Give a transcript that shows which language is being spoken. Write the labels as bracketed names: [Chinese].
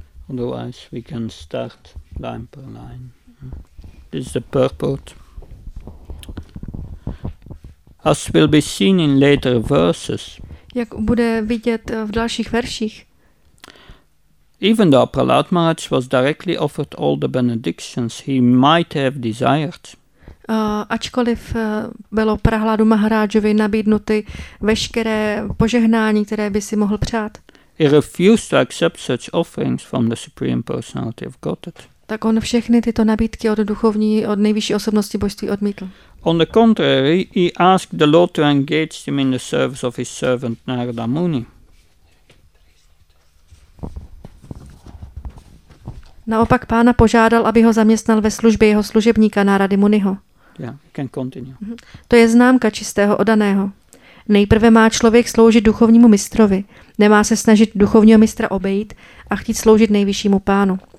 [English] Otherwise, we can start line per line. This is the purport. As will be seen in later verses. [Czech] Jak bude vidět v dalších verších. [English] Even though Prahlad Maharaj was directly offered all the benedictions he might have desired. [Czech] Ačkoliv bylo Prahladu Maharajovi nabídnuty veškeré požehnání, které by si mohl přát. [English] He refused to accept such offerings from the Supreme Personality of Godhead. [Czech] Tak on všechny tyto nabídky od nejvyšší osobnosti božství odmítl. [English] On the contrary, he asked the Lord to engage him in the service of his servant Narada Muni. [Czech] Naopak pána požádal, aby ho zaměstnal ve službě jeho služebníka Narady Muniho. [English] Yeah, can continue. [Czech] To je známka čistého oddaného. Nejprve má člověk sloužit duchovnímu mistrovi. Nemá se snažit duchovního mistra obejít a chtít sloužit nejvyššímu pánu.